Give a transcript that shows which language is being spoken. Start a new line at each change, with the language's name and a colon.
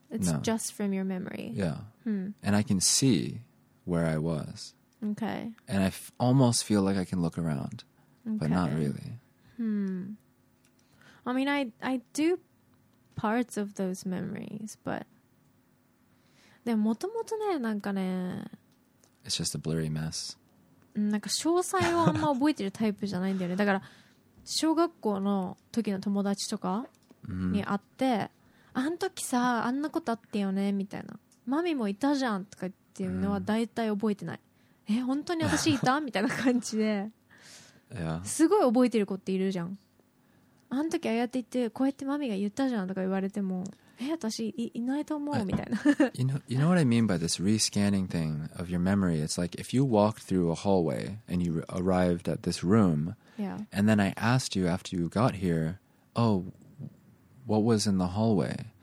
Japanese: It's just from your memory.
English: Yeah. And I can see where I was. Okay. And I almost feel like I can look around. Okay. But not really. I mean, I do parts of those memories, but...
Japanese: でももともとね、なんかね...
English: It's just a blurry mess.
Japanese: なんか詳細をあんま覚えてるタイプじゃないんだよね。だから小学校の時の友達とかに会って、あん時さあんなことあったよねみたいな、マミもいたじゃんとかっていうのは大体覚えてない。え、本当に私いたみたいな感じで、すごい覚えてる子っているじゃん。あん時ああやって言ってこうやってマミが言ったじゃんとか言われても、
English: You know what I mean by this re-scanning thing of your memory? It's like if you walked through a hallway and you arrived at this room, and then I asked you after you got here, oh, what was in the hallway?